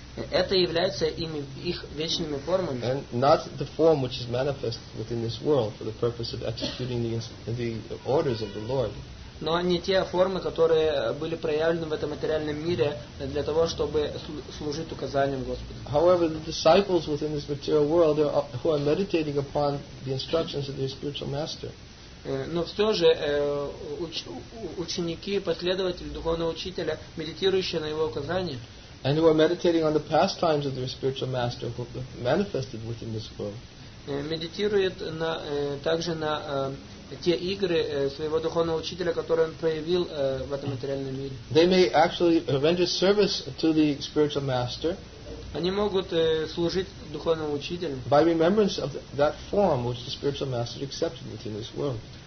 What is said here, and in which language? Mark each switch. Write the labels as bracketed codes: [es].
[ru] Это является ими, их вечными формами. [en] And not the form which is manifest within this world for the purpose of executing the orders of the Lord. [ru] Но не те формы, которые были проявлены в этом материальном мире для того, чтобы служить указанием Господа. [en] However, the disciples within this material world who are meditating upon the instructions of their spiritual master. [ru] Но все же ученики, последователи духовного учителя, медитирующие на его указания. [en] And who are meditating on the pastimes of their spiritual master who manifested within this world. [ru] Медитирует также на те игры своего духовного учителя, которые он проявил в этом материальном мире. [en] They may actually render service to the spiritual master. [ru] Они могут служить духовному учителю. [en] By remembrance of that form which the spiritual master accepted within this world.